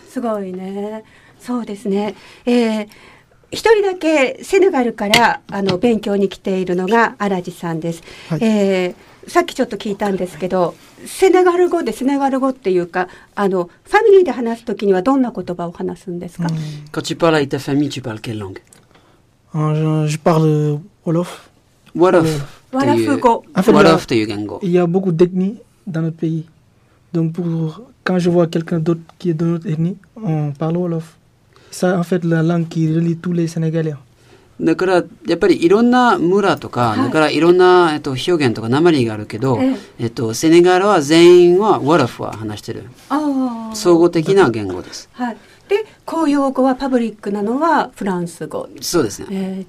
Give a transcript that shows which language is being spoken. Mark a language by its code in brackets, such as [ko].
[ja] すごいね、そうですね、一人だけセネガルから勉強に来ているのがアラジさんです。はい、さっきちょっと聞いたんですけど、セネガル語でセネガル語っていうか、ファミリーで話すときにはどんな言葉を話すんですか？ [fr] Quand tu parles avec ta famille, tu parles quelle langue? Je parle Wolof. Wolof. [ja] Wolof 語。 Wolof という言語。 [fr] Il y a beaucoup d'ethnies dans notre pays. Donc quand je vois quelqu'un d'autre qui est de notre ethnie, on parle Wolof. Ça, en fait, la langue qui relie tous les Sénégalais. [ja] だからやっぱりいろんな村とか、はい、だからいろんな、表現とか訛りがあるけど、セネガルは全員はワラフは話してる、あ、総合的な言語です。はい、で公用語はパブリックなのはフランス語、そうですね、